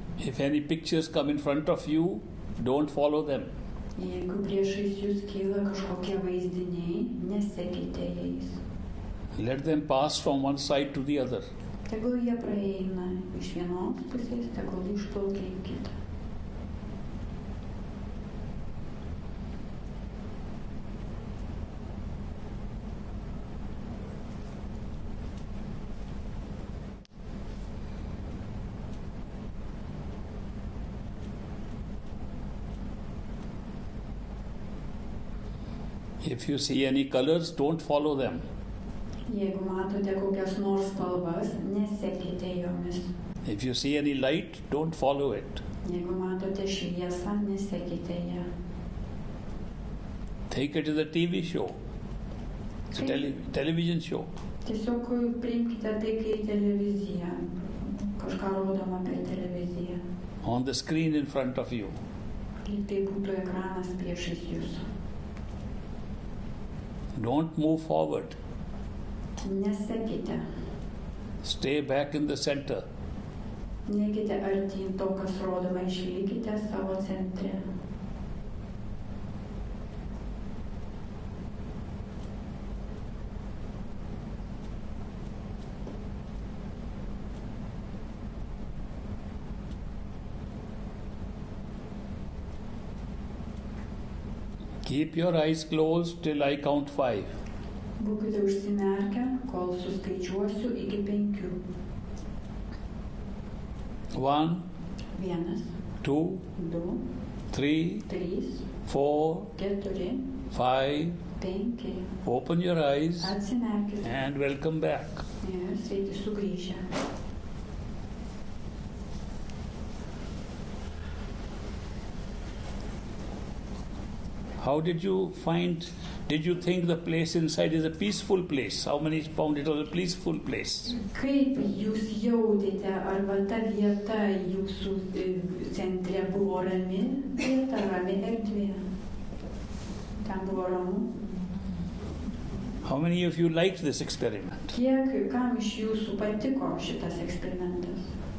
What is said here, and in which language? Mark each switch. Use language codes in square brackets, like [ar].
[en] If any pictures come in front of you, don't follow them. [lt] Jeigu priešais jūs kyla kažkokie vaizdiniai, nesekite jais. [en] Let them pass from one side to the other. [lt] Tegul jie praeina iš vienos pusės, tegul išplaukia į kitą. [en] If you see any colors, don't follow them. [lt] Jeigu matote kokias nors spalvas, nesekite jomis. [en] If you see any light, don't follow it. [lt] Jeigu matote šviesą, nesekite ją. [en] Take it as a TV show. [lt] Kaip? [en] Television show. [lt] Tiesiog priimkite tai kaip televiziją. Kažką rodoma per televiziją. [en] On the screen in front of you. [lt] Ir tai būtų ekranas priešais jūsų. [en] Don't move forward. [lt] Nesekite. [en] Stay back in the center. [lt] Neikite artyn to, kas rodoma, išlikite savo centre. [en] Keep your eyes closed till I count five. [lt] Būkite užsimerkę, kol suskaičiuosiu iki penkių. [en] One. [lt] Vienas. [en] Two. [lt] Du. [en] Three. [lt] Trys. [en] Four. [lt] Keturi. [en] Five. [lt] Penki. [en] Open your eyes. [lt] Atsimerkite. [en] And welcome back. [lt] Sveiki sugrįžę. [en] How did you think the place inside is a peaceful place? How many found it as a peaceful place? [lt] Kaip jūs jautėte, arba ta vieta jūsų centre buvo rami vieta, rami erdvė? Ten buvo ramu? [en] How many of you liked this experiment? [lt] Kiek, kam iš jūsų patiko šitas eksperimentas?